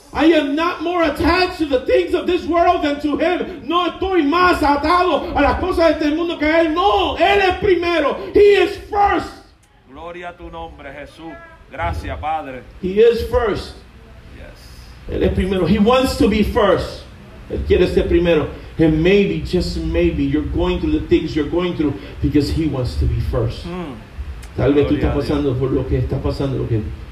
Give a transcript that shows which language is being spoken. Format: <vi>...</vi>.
<en>I am not more attached to the things of this world than to him.</en> <es>No estoy más atado a las cosas de este mundo que él. No, él es primero.</es> <en>He is first.</en> <es>Gloria a tu nombre, Jesús. Gracias, Padre.</es> <en>He is first. Yes.</en> <es>Él es primero.</es> <en>He wants to be first.</en> <es>Él quiere ser primero.</es> <en>And maybe, just maybe, you're going through the things you're going through because he wants to be first. Mm.</en> <es>Tal vez tú estás pasando por lo que está pasando, lo que</es>